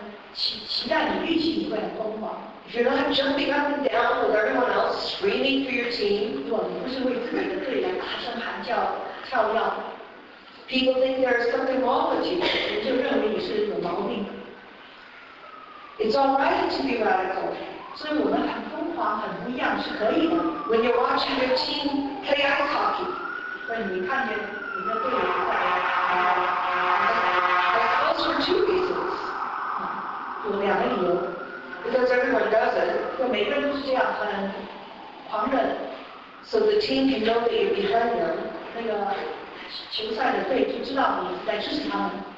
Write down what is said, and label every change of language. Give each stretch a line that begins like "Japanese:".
Chinese: 如果你在看球赛的时候，他们期待你，预计你会很疯狂。
English: If you're not jumping up and down with everyone else screaming for your team,
Chinese: 如果你不是为自己的队员大声喊叫跳跃。
English: People think there's something wrong with you. It's all right when you sit in the morning. It's all right to be radical.
Chinese: 所以我们很疯狂，很不一样，是可以的。
English: When you're watching your team play ice hockey.
Chinese: 对，你看见你的队友在。
English: It comes from two reasons.
Chinese: 有两个理由。
English: Because everyone does it.
Chinese: 就每个人都是这样，很狂热。
English: So the team can know that you're behind them.
Chinese: 那个球赛的队就知道你在支持他们。